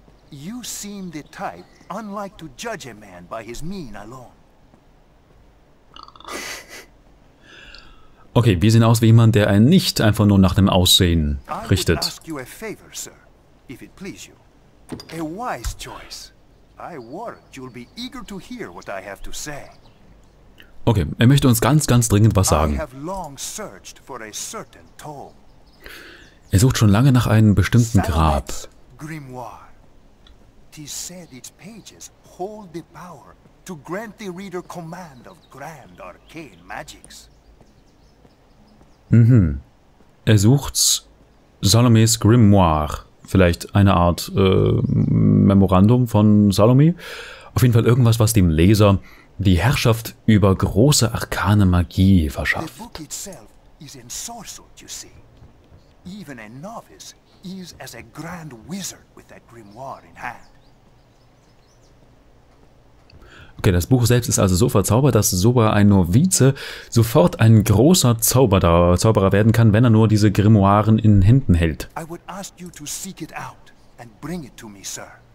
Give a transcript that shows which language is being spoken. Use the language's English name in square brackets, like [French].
[English] You seem the type unlike to judge a man by his mien alone. [German] Okay, wir sehen aus wie jemand, der einen nicht einfach nur nach dem Aussehen richtet. [English] I ask you a favor, sir, if it please you. A wise choice. I warrant you'll be eager to hear what I have to say. [German] Okay, er möchte uns ganz, ganz dringend was sagen. [English] I have long searched for a certain tome. [German] Er sucht schon lange nach einem bestimmten Grab. [English] Grimoire. Tis said its pages hold the power to grant the reader command of grand arcane magics. [German] Mhm. Er sucht Salomés Grimoire. Vielleicht eine Art Memorandum von Salomé. Auf jeden Fall irgendwas, was dem Leser die Herrschaft über große arkane Magie verschafft. [English] The book itself is ensorcelled, you see. Even a novice is as a grand wizard with that grimoire in hand. [German] Okay, das Buch selbst ist also so verzaubert, dass sogar ein Novize sofort ein großer Zauberer werden kann, wenn er nur diese Grimoiren in Händen hält. [English] I would ask you to seek it out and bring it to me, sir.